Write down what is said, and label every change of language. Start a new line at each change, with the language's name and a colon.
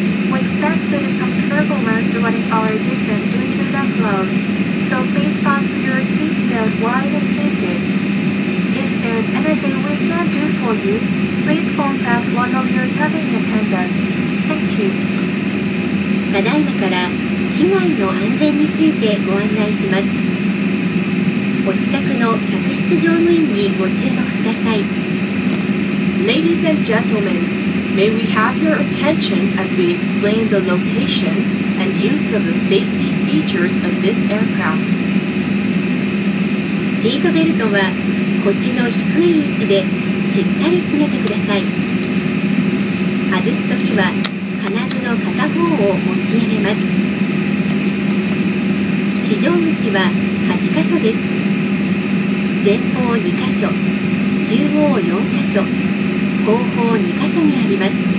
English: We expect that some turbulence running our distance due to the flow, so please fasten your seatbelt while it takes. If there's anything we can do for you, please contact one of your cabin attendants. Thank you.
Japanese: ただいまから機内の安全についてご案内します。お近くの客室乗務員にご注目ください。
English: Ladies and gentlemen, may we have your attention as we explain the location and use of the safety features of this aircraft.
Japanese: シートベルトは腰の低い位置でしっかり締めてください。外すときは金具の片方を持ち上げます。非常口は8箇所です。前方2箇所、中央4箇所、後方2箇所にあります。